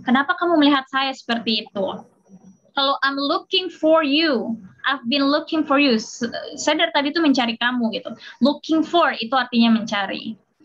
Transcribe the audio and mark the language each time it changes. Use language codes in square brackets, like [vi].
[id] Kenapa kamu melihat saya seperti itu? Kalau [en] I'm looking for you, I've been looking for you. [id] Saya dari tadi itu mencari kamu, gitu. [en] Looking for [id] itu artinya mencari.